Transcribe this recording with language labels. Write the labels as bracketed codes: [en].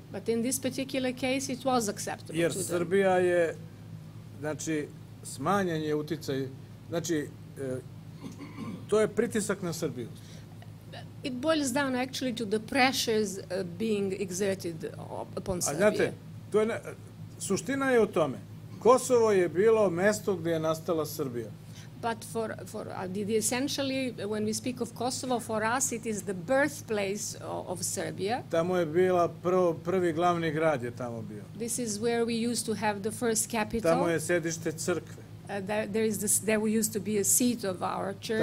[en] But in this particular case, it was acceptable. [sr] Jer Srbija je, znači, smanjen je uticaj, znači, to je pritisak na Srbiju. [en] It boils down actually to the pressures being exerted upon Serbia. [sr] A znate, suština je u tome. Kosovo je bilo mesto gde je nastala Srbija. [en] But for the essentially, when we speak of Kosovo, for us it is the birthplace of Serbia. [sr] Tamo je bila prvi glavni grad je tamo bio. [en] This is where we used to have the first capital. [sr] Tamo je sedište crkve. [en] There used to be a seat of our church.